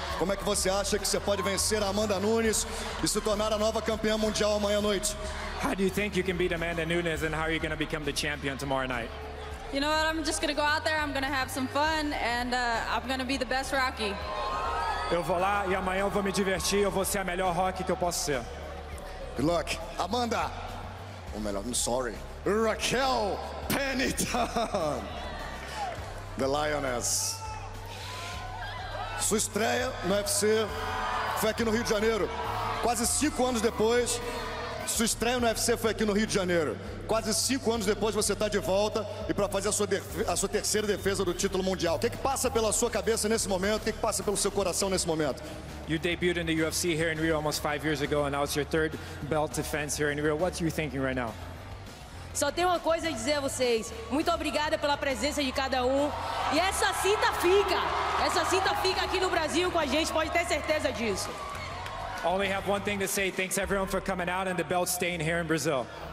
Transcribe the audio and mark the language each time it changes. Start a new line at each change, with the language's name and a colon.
Portuguese: Como é que você acha que você pode vencer a Amanda Nunes e se tornar a nova campeã mundial amanhã à noite?
English: How do you think you can beat Amanda Nunes, and how are you going to become the champion tomorrow night? You know what? I'm just going to go out there. I'm going to have some fun, and I'm going to be the best Rocky.
Portuguese: Eu vou lá e amanhã eu vou me divertir. Eu vou ser a melhor Rocky que eu posso ser.
English: Good luck, Amanda.
Portuguese: Ou melhor,
English: I'm sorry, Raquel Pennington, the Lioness.
Portuguese: Sua estreia no UFC foi aqui no Rio de Janeiro. Quase 5 anos depois. Sua estreia no UFC foi aqui no Rio de Janeiro. Quase 5 anos depois você está de volta e para fazer a sua terceira defesa do título mundial. O que é que passa pela sua cabeça nesse momento? O que é que passa pelo seu coração nesse momento?
English: You debuted in the UFC here in Rio almost 5 years ago and now it's your third belt defense here in Rio. What are you thinking right now?
Portuguese: Só tenho uma coisa a dizer a vocês. Muito obrigada pela presença de cada um. E essa cinta fica. Essa cinta fica aqui no Brasil com a gente, pode ter certeza disso.
English: Only have one thing to say. Thanks everyone for coming out and the belt staying here in Brazil.